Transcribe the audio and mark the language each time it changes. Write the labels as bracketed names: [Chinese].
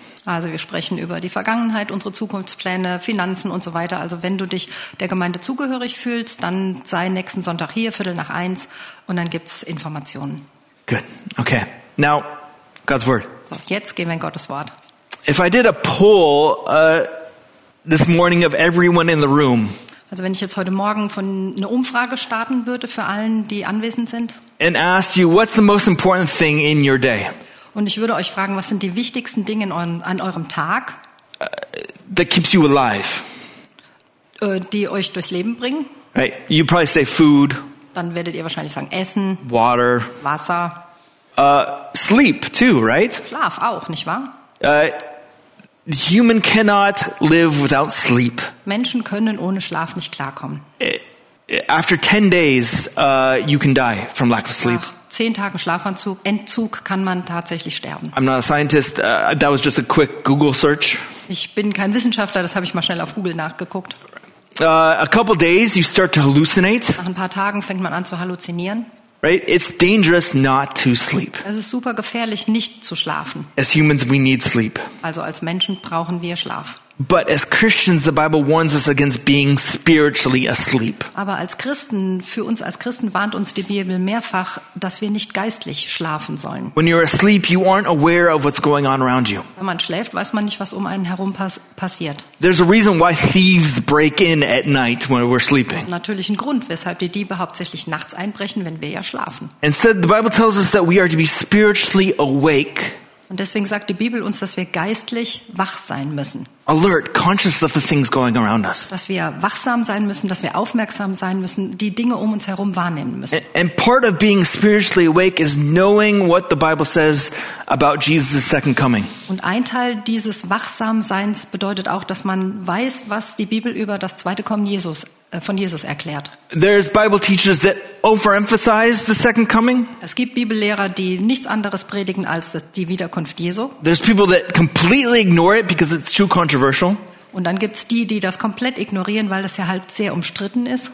[German] Also wir sprechen über die Vergangenheit, unsere Zukunftspläne, Finanzen und so weiter. Also wenn du dich der Gemeinde zugehörig fühlst, dann sei nächsten Sonntag hier, 1:15 und dann gibt's Informationen. [English] Good. Okay. Now, God's Word. [German] So, jetzt gehen wir in Gottes Wort. [English] If I did a poll this morning of everyone in the room. [German] Also wenn ich jetzt heute Morgen von eine Umfrage starten würde für allen, die anwesend sind. [English] And asked you, what's the most important thing in your day? [German] Und ich würde euch fragen, was sind die wichtigsten Dinge an eurem Tag? [English] That keeps you alive. [German] Die euch durchs Leben bringen. [English] Right. You probably say food. [German] Dann werdet ihr wahrscheinlich sagen Essen. [English] Water. [German] Wasser. [English] Sleep too, right? [German] Schlaf auch, nicht wahr? [English] Human cannot live without sleep. [German] Menschen können ohne Schlaf nicht klarkommen. [English] After 10 days, you can die from lack of sleep. [German] Nach 10 Tagen Schlafanzug, Entzug kann man tatsächlich sterben. [English] I'm not a scientist, that was just a quick Google search. [German] Ich bin kein Wissenschaftler, das habe ich mal schnell auf Google nachgeguckt. [English] A couple days, you start to hallucinate. [German] Nach ein paar Tagen fängt man an zu halluzinieren. [English] Right? It's dangerous not to sleep. [German] Es ist super gefährlich, nicht zu schlafen. [English] As humans, we need sleep. [German] Also als Menschen brauchen wir Schlaf. [English] But as Christians, the Bible warns us against being spiritually asleep. [German] Aber als Christen, für uns als Christen warnt uns die Bibel mehrfach, dass wir nicht geistlich schlafen sollen. [English] When you're asleep, you aren't aware of what's going on around you. [German] Wenn man schläft, weiß man nicht, was um einen herum passiert. [English] There's a reason why thieves break in at night when we're sleeping. [German] Natürlich ein Grund, weshalb die Diebe hauptsächlich nachts einbrechen, wenn wir ja schlafen. [English] Instead, the Bible tells us that we are to be spiritually awake. [German] Und deswegen sagt die Bibel uns, dass wir geistlich wach sein müssen. [English] Alert, conscious of the things going around us. [German] Dass wir wachsam sein müssen, dass wir aufmerksam sein müssen, die Dinge um uns herum wahrnehmen müssen. [English] And part of being spiritually awake is knowing what the Bible says about Jesus' second coming. [German] Und ein Teil dieses Wachsamseins bedeutet auch, dass man weiß, was die Bibel über das zweite Kommen Jesus von Jesus erklärt. [English] There's Bible teachers that overemphasize the second coming. [German] Es gibt Bibellehrer, die nichts anderes predigen als die Wiederkunft Jesu. [English] There's people that completely ignore it because it's too controversial. [German] Und dann gibt's die, die das komplett ignorieren, weil das ja halt sehr umstritten ist.